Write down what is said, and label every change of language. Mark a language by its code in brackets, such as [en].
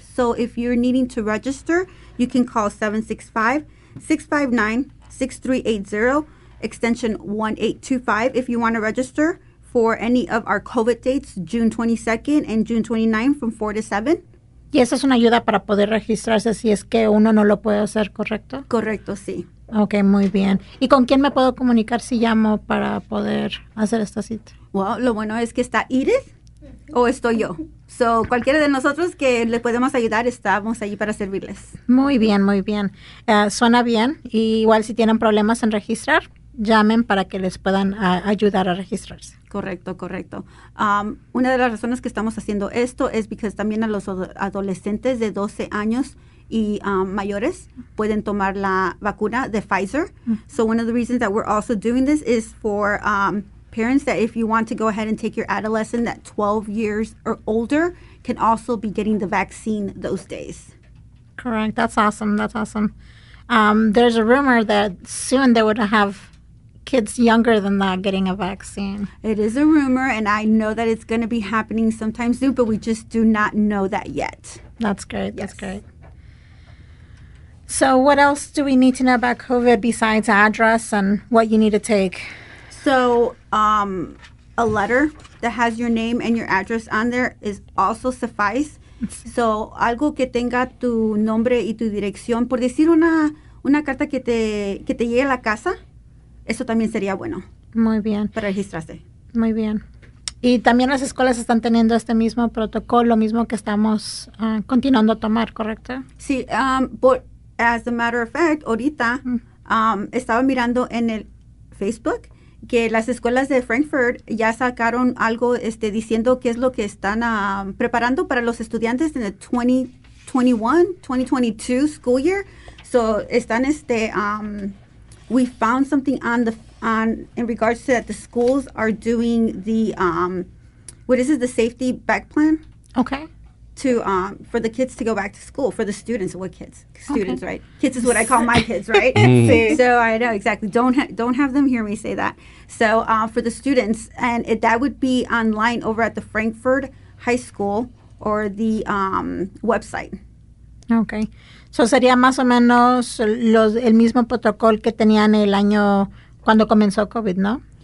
[en] So if you're needing to register, you can call 765-659-6380, extension 1825, if you want to register for any of our COVID dates, June 22nd and June 29th from 4 to 7. [es] Y esa es una ayuda para poder registrarse si es que uno no lo puede hacer, ¿correcto? Correcto, sí. Ok, muy bien. ¿Y con quién me puedo comunicar si llamo para poder hacer esta cita? Well, lo bueno es que está Edith o estoy yo. So, cualquiera de nosotros que le podemos ayudar, estamos allí para servirles. Muy bien, muy bien. Suena bien. Y igual si tienen problemas en registrar, llamen para que les puedan ayudar a registrarse. Correcto, correcto. Una de las razones que estamos haciendo esto es porque también a los adolescentes de 12 años y mayores pueden tomar la vacuna de Pfizer. [en] So one of the reasons that we're also doing this is for parents that if you want to go ahead and take your adolescent that 12 years or older can also be getting the vaccine those days. Correct. That's awesome. That's awesome. There's a rumor that soon they would have kids younger than that getting a vaccine. It is a rumor, and I know that it's going to be happening sometime soon, but we just do not know that yet. That's great. Yes. That's great. So what else do we need to know about COVID besides address and what you need to take? So a letter that has your name and your address on there is also suffice. [es] So algo que tenga tu nombre y tu dirección, por decir una carta que te llegue a la casa. Eso también sería bueno. Muy bien. Para registrarse. Muy bien. Y también las escuelas están teniendo este mismo protocolo, mismo que estamos continuando a tomar, ¿correcto? Sí, [en] but as a matter of fact, [es] ahorita estaba mirando en el Facebook que las escuelas de Frankfurt ya sacaron algo diciendo qué es lo que están preparando para los estudiantes en el 2021-2022 [en] school year. So están we found something in regards to that the schools are doing the the safety back plan. Okay. To for the kids to go back to school, for the students. What kids? Students, okay. Right? Kids is what I call my kids, right? So I know exactly. Don't have them hear me say that. So for the students, and that would be online over at the Frankfurt High School or the website. Okay. [es] So sería más o menos el mismo protocolo que tenían el año cuando comenzó COVID, ¿no?